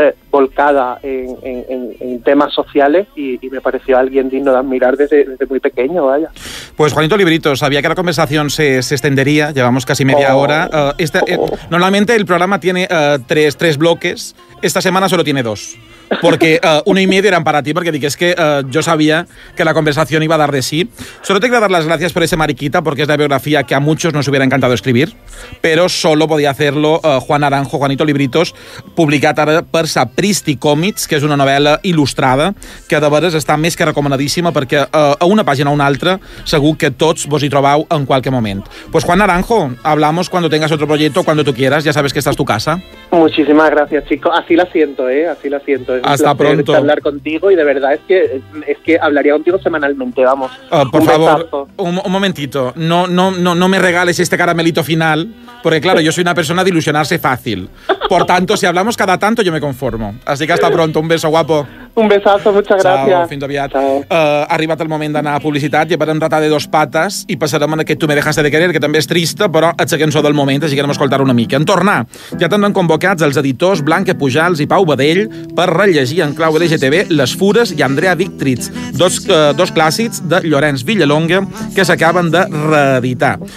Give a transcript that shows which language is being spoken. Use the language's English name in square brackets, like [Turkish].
[Spanish] volcada en temas sociales y me pareció alguien digno de admirar desde muy pequeño, vaya. Pues Juanito Librito, sabía que la conversación se extendería, llevamos casi media hora. Normalmente el programa tiene tres bloques, esta semana solo tiene dos. Porque uno y medio eran para ti, porque dije, es que yo sabía que la conversación iba a dar de sí. Solo te quiero dar las gracias por ese Mariquita, porque es la biografía que a muchos nos hubiera encantado escribir, pero solo podía hacerlo Juan Naranjo, Juanito Libritos, [Catalan] publicada per Sapristi Comics, que és una novel·la il·lustrada, que de veres està més que recomanadíssima, perquè a una pàgina o una altra segur que tots vos hi trobau en qualque moment. [Spanish] Pues Juan Naranjo, hablamos cuando tengas otro proyecto, cuando tú quieras, ya sabes que esta es tu casa. Muchísimas gracias, chico. Así la siento, ¿eh? Así la siento. Es hasta pronto. Hablar contigo y de verdad es que hablaría contigo semanalmente, vamos. Por un favor, un momentito. No me regales este caramelito final, porque claro, yo soy una persona de ilusionarse fácil. Por tanto, si hablamos cada tanto, yo me conformo. Así que hasta pronto. Un beso, guapo. Un besazo, muchas gracias. [Catalan] Chao, fins aviat. Arribat el moment d'anar a publicitat, llevarem Rata de dos patas i passarem en aquest Tu me dejaste de querer, que també és trista, però aixequem-nos del moment, així que anem a escoltar una mica. En tornar, ja tenen convocats els editors Blanca Pujals i Pau Badell per rellegir en clau LGTB Les Fures i Andrea Dictritz, dos clàssics de Llorenç Villalonga que s'acaben de reeditar.